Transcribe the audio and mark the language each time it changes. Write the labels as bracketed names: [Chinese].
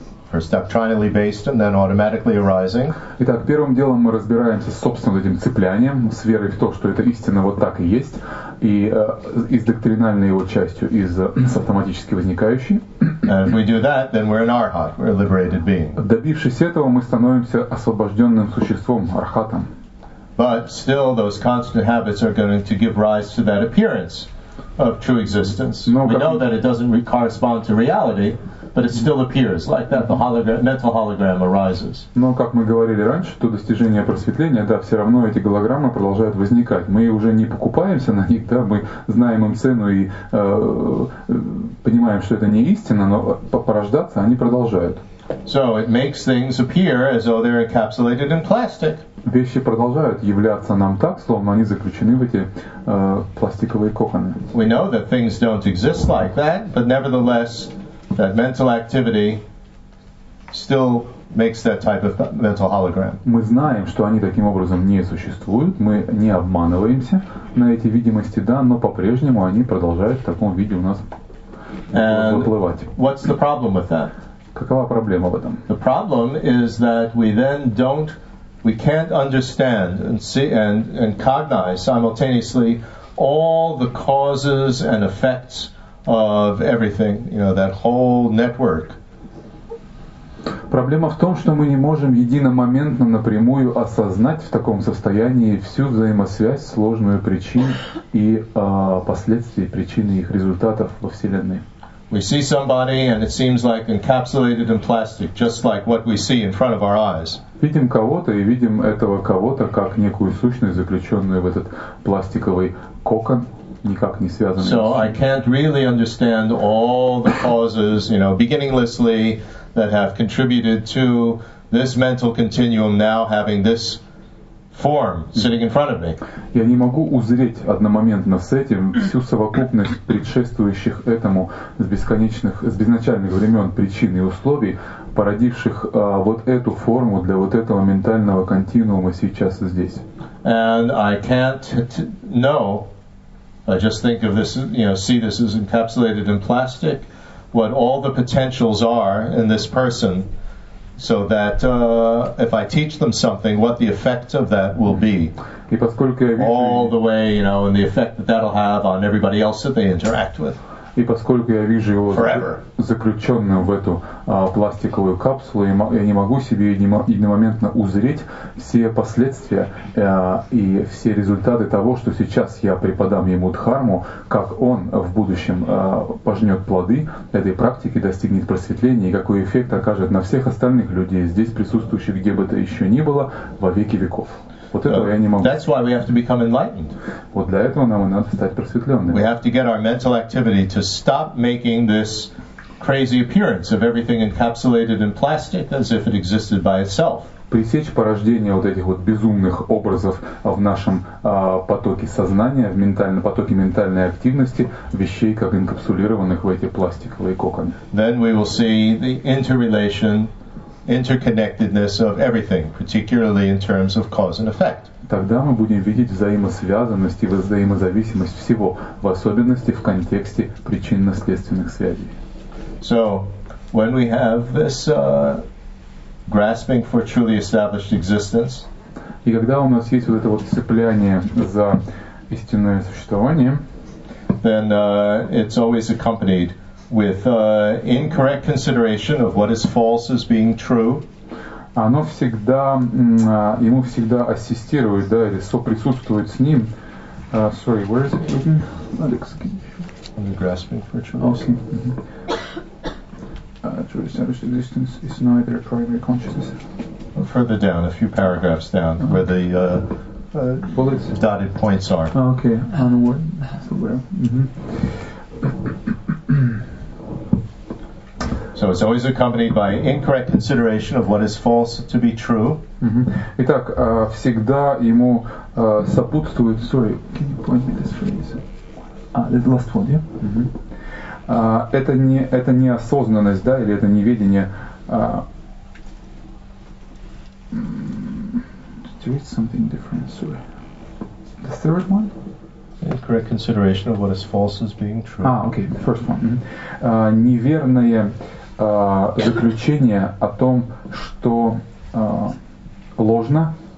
[English] First doctrinally based and then automatically arising. [Russian] Итак, первым делом мы разбираемся с собственным этим цеплянием, с верой в то, что это истина вот так и есть, и из доктринальной его частью, из с автоматически возникающей. [English] And if we do that, then we're an arhat, we're a liberated being. [Russian] Добившись этого, мы становимся освобожденным существом, архатом. [English] But still those constant habits are going to give rise to that appearance of true existence. [Russian] Но, [English] we know that it doesn't correspond to reality, but it still appears like that. The mental hologram arises. [Russian] Но как мы говорили раньше, то достижение просветления, да, все равно эти голограммы продолжают возникать. Мы уже не покупаемся на них, да, мы знаем им цену и понимаем, что это не истина, но порождаться они продолжают. [English] So it makes things appear as though they're encapsulated in plastic. [Russian] Вещи продолжают являться нам так, словно они заключены в эти пластиковые коконы. [English] We know that things don't exist like that, but nevertheless, that mental activity still makes that type of mental hologram. [Russian] Мы знаем, что они таким образом не существуют, мы не обманываемся на эти видимости, да, но по-прежнему они продолжают в таком виде у нас выплывать. [English] And what's the problem with that? [Russian] Какова проблема в этом? [English] The problem is that we then don't, we can't understand and see and cognize simultaneously all the causes and effects of everything, you know, that whole network. [Russian] Проблема в том, что мы не можем единомоментно напрямую осознать в таком состоянии всю взаимосвязь, сложную причин и последствий, причины их результатов во Вселенной. [English] We see somebody and it seems like encapsulated in plastic, just like what we see in front of our eyes. [Russian] Видим кого-то и видим этого кого-то как некую сущность, заключенную в этот пластиковый кокон, никак не связанную. [English] So I can't really understand all the causes, you know, beginninglessly, that have contributed to this mental continuum now having this form sitting in front of me. [Russian] Я не могу узреть одномоментно с этим всю совокупность предшествующих этому с безначальных времен причин и условий, породивших вот эту форму для вот этого ментального континуума сейчас и здесь. [English] And I can't know. I just think of this, you know, see this is encapsulated in plastic, what all the potentials are in this person. So that if I teach them something, what the effect of that will be. [Russian] И поскольку я вижу [English] all the way, you know, and the effect that that'll have on everybody else that they interact with. [Russian] И поскольку я вижу его [English] forever [Russian] заключенным в эту пластиковую капсулу, я не могу себе единомоментно узреть все последствия и все результаты того, что сейчас я преподам ему дхарму, как он в будущем пожнет плоды этой практики, достигнет просветления и какой эффект окажет на всех остальных людей, здесь присутствующих, где бы то еще ни было, во веки веков. Вот этого я не могу. [English] That's why we have to become enlightened. [Russian] Вот для этого нам и надо стать просветленными. [English] We have to get our mental activity to stop making this crazy appearance of everything encapsulated in plastic as if it existed by itself. [Russian] Пресечь порождение вот этих вот безумных образов в нашем потоке сознания, в потоке ментальной активности, вещей, как инкапсулированных в эти пластиковые коконы. [English] Then we will see the interrelation, interconnectedness of everything, particularly in terms of cause and effect. [Russian] Тогда мы будем видеть взаимосвязанность и взаимозависимость всего, в особенности в контексте причинно-следственных связей. [English] So, when we have this grasping for truly established existence, [Russian] и когда у нас есть вот это вот цепляние за истинное существование, [English] then it's always accompanied with incorrect consideration of what is false as being true. [Russian] Оно всегда, ему всегда ассистирует, да, или соприсутствует с ним. [English] Sorry, where is it written? Alex, can you show? Grasping for truth. Okay. naturally established existence is neither primary consciousness. Further down, a few paragraphs down, okay, where the bullets, dotted points are. Okay, onward. Somewhere. So it's always accompanied by incorrect consideration of what is false to be true. [Russian] Итак, всегда ему сопутствует. [English] Sorry, can you point me this phrase? Ah, the last one, yeah. [Russian] Это неосознанность, да, или это неведение. [English] Read something different. Sorry. The third one. Incorrect consideration of what is false as being true. Ah, okay. The first one. [Russian] Неверное заключение о том, что ложно.